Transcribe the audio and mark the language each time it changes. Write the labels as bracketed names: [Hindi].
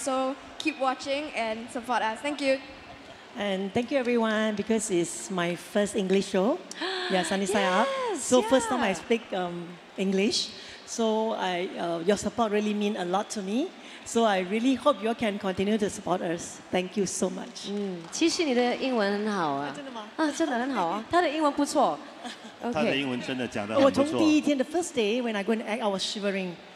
[English] So keep watching and support us. Thank you. And thank you, everyone, because it's my first English show. Yeah, Sunny Side Yes, Up. So first time I speak English. So your support really means a lot to me. So I really hope you all can continue to support us. Thank you so much. [Chinese] 其实你的英文很好啊。真的吗？啊，真的很好啊。他的英文不错。他的英文真的讲得很不错。我从第一天, [English] the first day, when I go and act, I was shivering.